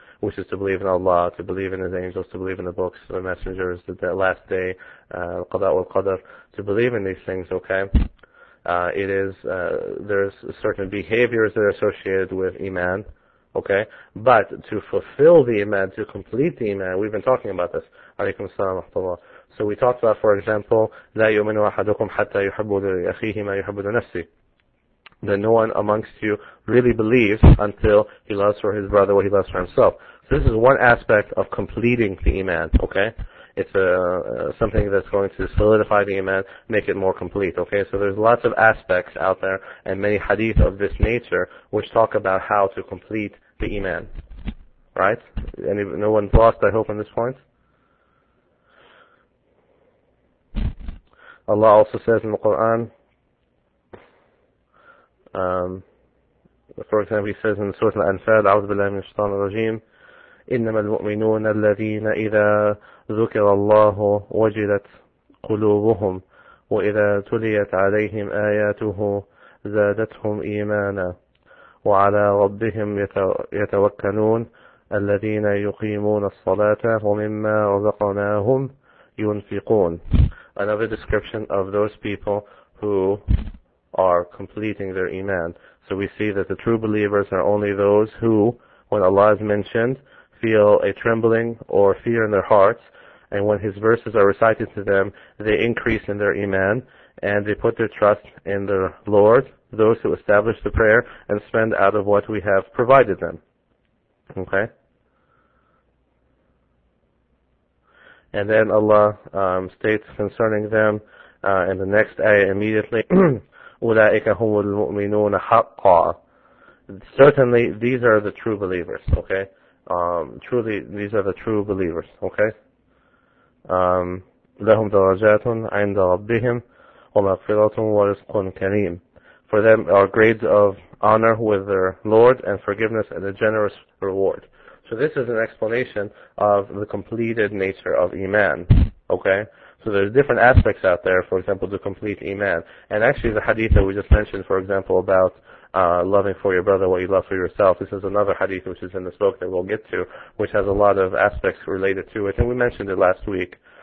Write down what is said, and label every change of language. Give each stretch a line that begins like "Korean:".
English: Which is to believe in Allah, to believe in His angels, to believe in the books, the messengers, the last day, qada wa qadr, to believe in these things, okay? There's certain behaviors that are associated with iman, okay? But to fulfill the iman, to complete the iman, we've been talking about this.
Arabic: Alaykum as-salam wa rahmatullah.
English: So we talked about, for example,
Arabic: لا يؤمن أحدكم حتى يحب لأخيه ما يحب لنفسه.
English: That no one amongst you really believes until he loves for his brother what he loves for himself. So this is one aspect of completing the iman, okay? It's something that's going to solidify the iman, make it more complete, okay? So there's lots of aspects out there and many hadith of this nature which talk about how to complete the iman, right? No one's lost, I hope, on this point? Allah also says in the Quran, for example, He says in the Surah Al-Anfal,
Arabic: أعوذ بالله من الشيطان الرجيم, إنما المؤمنون الذين إذا ذكر الله وجلت قلوبهم وإذا تليت عليهم آياته زادتهم إيمانا وعلى ربهم يتوكلون الذين يقيمون الصلاة ومما رزقناهم ينفقون.
English: Another description of those people who are completing their iman. So we see that the true believers are only those who, when Allah is mentioned, feel a trembling or fear in their hearts, and when His verses are recited to them, they increase in their iman, and they put their trust in their Lord, those who establish the prayer, and spend out of what we have provided them. Okay? And then Allah states concerning them in the next ayah immediately,
Arabic: أُولَٰئِكَ هُمُ الْمُؤْمِنُونَ حَقًّا.
English: Certainly, these are the true believers, okay? Truly, these are the true believers, okay?
Arabic: لهم درجات عند ربهم ومغفرة ورزق كريم.
English: For them are grades of honor with their Lord and forgiveness and a generous reward. So this is an explanation of the completed nature of Iman. Okay? So there's different aspects out there, for example, the complete Iman. And actually the hadith that we just mentioned, for example, about loving for your brother what you love for yourself, this is another hadith which is in this book that we'll get to, which has a lot of aspects related to it. And we mentioned it last week.